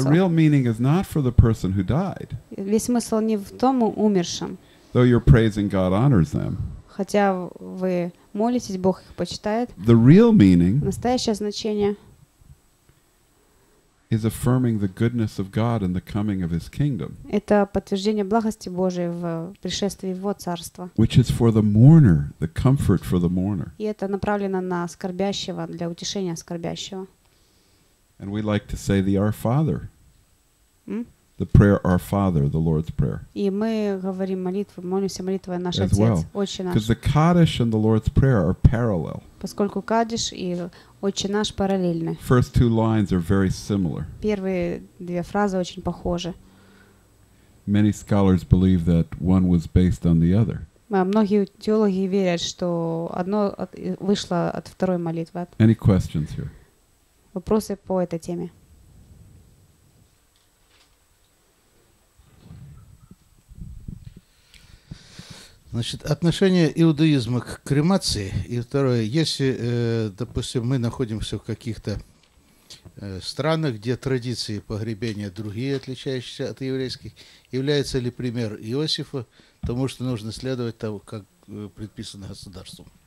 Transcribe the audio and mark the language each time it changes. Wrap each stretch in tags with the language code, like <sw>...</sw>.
<en>The real meaning is not for the person who died.</en> <ru>Весь смысл не в том умершем.</ru> <en>Though you're praising, God honors them.</en> <ru>Хотя вы молитесь, Бог их почитает.</ru> <en>The real meaning.</en> <ru>Настоящее значение.</ru> <en>Is affirming the goodness of God and the coming of His kingdom.</en> <ru>Это подтверждение благости Божией в пришествии Его царства.</ru> <en>Which is for the mourner, the comfort for the mourner.</en> <ru>И это направлено на скорбящего, для утешения скорбящего.</ru> <en>And we like to say the Our Father. The prayer Our Father, the Lord's prayer.</en> <ru>И мы говорим молитву, молимся молитвой наш Отец, well. Отче наш.</ru> <en>Because the Kaddish and the Lord's prayer are parallel.</en> <ru>Поскольку Кадиш и Отче наш параллельны.</ru> <en>First two lines are very similar.</en> <ru>Первые две фразы очень похожи.</ru> <en>Many scholars believe that one was based on the other.</en> <ru>Многие теологи верят, что одно вышло от второй молитвы.</ru> <en>Any questions here?</en> <ru>Вопросы по этой теме? Значит, отношение иудаизма к кремации, и второе, если, допустим, мы находимся в каких-то странах, где традиции погребения другие, отличающиеся от еврейских, является ли пример Иосифа тому, что нужно следовать тому, как предписано государством?</ru>